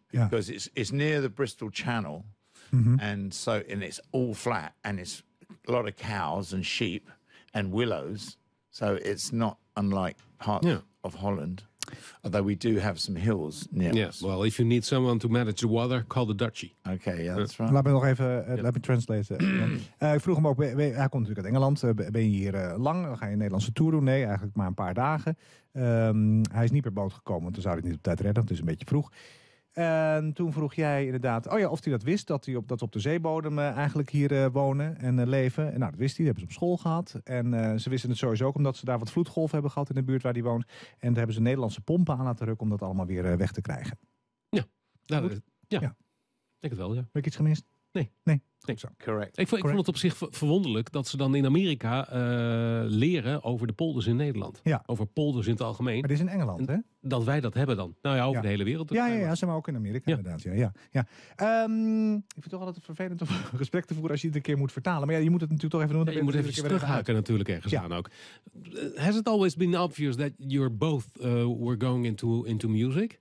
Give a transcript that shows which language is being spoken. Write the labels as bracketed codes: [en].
[en] Because it's near the Bristol Channel, mm-hmm. and it's all flat, and it's a lot of cows and sheep and willows. So it's not unlike parts of Holland, although we do have some hills near us. Yes, well, if you need someone to manage the water, call the Dutchie. Okay, yeah, that's right. [nl] Laat me nog even, [en] let me translate. [nl] Ik vroeg hem ook, hij komt natuurlijk uit Engeland. Ben je hier lang? Ga je een Nederlandse tour doen? Nee, eigenlijk maar een paar dagen. Hij is niet per boot gekomen, want dan zou hij niet op tijd redden. Het is een beetje vroeg. En toen vroeg jij inderdaad, of hij dat wist, dat hij op de zeebodem eigenlijk hier wonen en leven. En nou, dat wist hij, dat hebben ze op school gehad. En ze wisten het sowieso ook omdat ze daar wat vloedgolven hebben gehad in de buurt waar hij woont. En daar hebben ze Nederlandse pompen aan laten rukken om dat allemaal weer weg te krijgen. Ja, ja. Denk het wel, ja. Heb ik iets gemist? Nee. Zo. Correct. Ik vond het op zich verwonderlijk dat ze dan in Amerika leren over de polders in Nederland. Ja. Over polders in het algemeen. Maar dit is in Engeland, hè? Dat wij dat hebben dan. Nou ja, over de hele wereld. Ja, zeg maar ook in Amerika inderdaad. Ja. Ik vind het toch altijd vervelend om een gesprek te voeren als je het een keer moet vertalen. Maar ja, je moet het natuurlijk toch even doen. Ja, je moet even terughaken natuurlijk ergens aan ook. [en] Has it always been obvious that you're both were going into music?